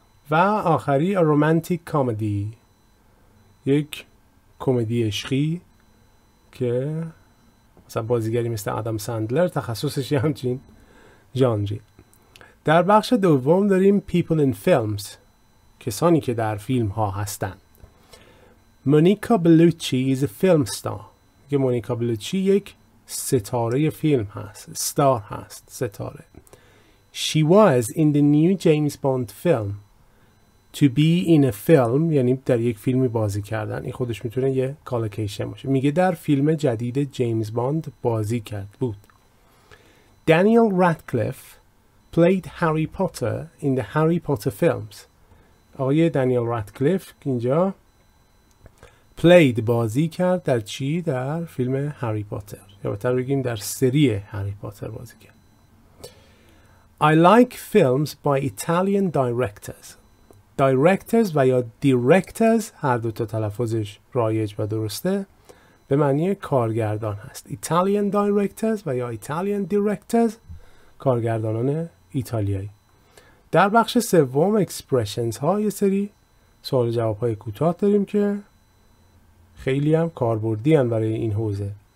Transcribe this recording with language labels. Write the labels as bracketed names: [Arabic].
[Persian] و آخری رومانتیک کامدی، یک کمدی عشقی که مثلا بازیگری مثل آدم ساندلر تخصصش همچین ژانری. در بخش دوم داریم [English] people in films، [Persian] کسانی که در فیلم ها هستند. [English] Monica Bellucci is a film star. [Persian] که مونیکا بلوچی یک ستاره فیلم هست. Star هست. ستاره. [English] She was in the new James Bond film. To be in a film [Persian] یعنی در یک فیلمی بازی کردن. این خودش میتونه یه کالوکیشن باشه. میگه در فیلم جدید جیمز باند بازی کرد بود. [English] Daniel Radcliffe played Harry Potter in the Harry Potter films. [Persian] آقای دانیل رادکلیف اینجا played بازی کرد در چی؟ در فیلم هری پاتر، یا بهتر بگیم در سری هری پاتر بازی کرد. [English] I like films by Italian directors. [Persian] Directors و یا directors هر دو تا تلفظش رایج و درسته، به معنی کارگردان هست. [English] Italian directors و یا Italian directors، [Persian] کارگردانان ایتالیایی. در بخش سوم expressions ها یه سری سوال جواب های کوتاه داریم که خیلی هم کاربردی هم برای این حوزه.